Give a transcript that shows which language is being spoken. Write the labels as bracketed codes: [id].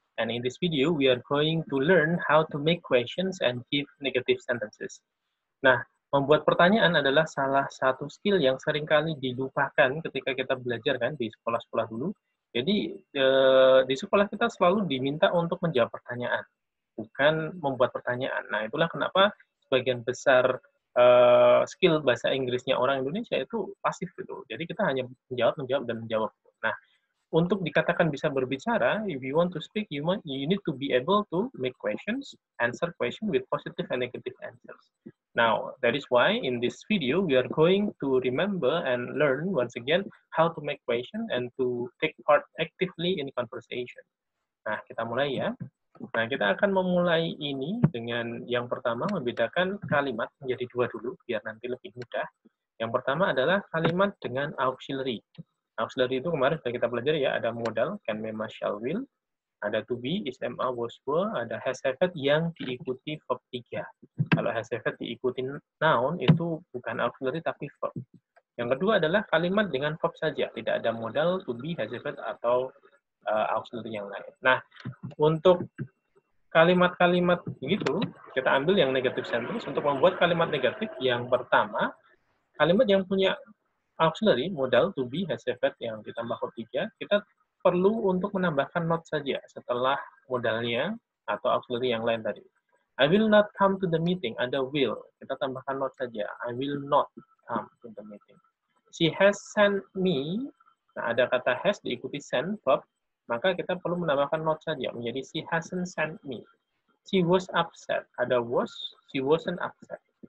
[en] And in this video, we are going to learn how to make questions and give negative sentences. [id] Nah, membuat pertanyaan adalah salah satu skill yang seringkali dilupakan ketika kita belajar kan di sekolah-sekolah dulu. Jadi, di sekolah kita selalu diminta untuk menjawab pertanyaan, bukan membuat pertanyaan. Nah, itulah kenapa sebagian besar skill bahasa Inggrisnya orang Indonesia itu pasif gitu. Jadi kita hanya menjawab, menjawab, dan menjawab. Nah, untuk dikatakan bisa berbicara, [en] if you want to speak, you need to be able to make questions, answer questions with positive and negative answers. Now, that is why in this video, we are going to remember and learn once again how to make questions and to take part actively in conversation. [id] Nah, kita mulai ya. Nah, kita akan memulai ini dengan yang pertama membedakan kalimat menjadi dua dulu, biar nanti lebih mudah. Yang pertama adalah kalimat dengan auxiliary. Auxiliary itu kemarin sudah kita belajar ya, ada modal, can, may, must, shall, will, ada to be, is, am, are, was, were, ada has, have, had yang diikuti verb 3. Kalau has, have, had diikuti noun, itu bukan auxiliary tapi verb. Yang kedua adalah kalimat dengan verb saja, tidak ada modal, to be, has, have, had, atau auxiliary yang lain. Nah, untuk kalimat-kalimat begitu, kita ambil yang negative sentence. Untuk membuat kalimat negatif, yang pertama, kalimat yang punya auxiliary, modal, to be, has, have, had, yang ditambah verb 3, kita perlu untuk menambahkan not saja setelah modalnya atau auxiliary yang lain tadi. [en] I will not come to the meeting, [id] ada will. Kita tambahkan not saja. [en] I will not come to the meeting. She has sent me, [id] nah ada kata has diikuti send, verb, maka kita perlu menambahkan not saja, menjadi [en] she hasn't sent me. She was upset. Ada was, she wasn't upset.